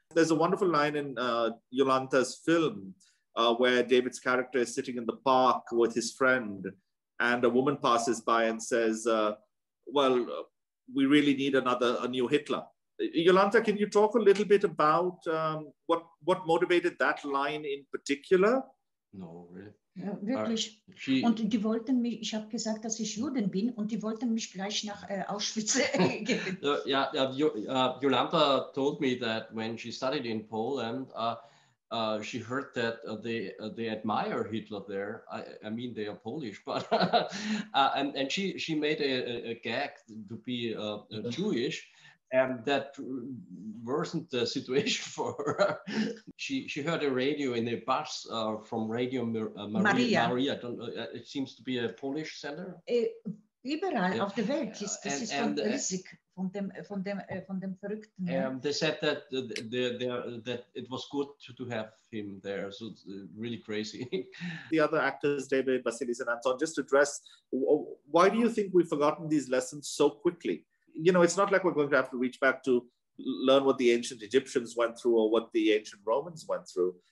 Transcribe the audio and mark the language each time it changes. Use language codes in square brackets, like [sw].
[en] There's a wonderful line in Yolanta's film where David's character is sitting in the park with his friend, and a woman passes by and says, we really need a new Hitler. Yolanta, can you talk a little bit about what motivated that line in particular? No, really. [de] Ja, wirklich. Und die wollten mich, ich habe gesagt, dass ich Juden bin, und die wollten mich gleich nach Auschwitz geben. [en] Jolanta told me that when she studied in Poland, she heard that they admire Hitler there. I mean, they are Polish, but and she made a gag to be Jewish, and that worsened the situation for her. she heard a radio in a bus from Radio Maria. It seems to be a Polish sender. [de] Überall, yeah. Auf der Welt ist das ist riesig. Von dem Verrückten. [en] They said that that it was good to have him there. So it's really crazy. The other actors, David, Vasilis and Anton, just address, why do you think we've forgotten these lessons so quickly? You know, it's not like we're going to have to reach back to learn what the ancient Egyptians went through or what the ancient Romans went through.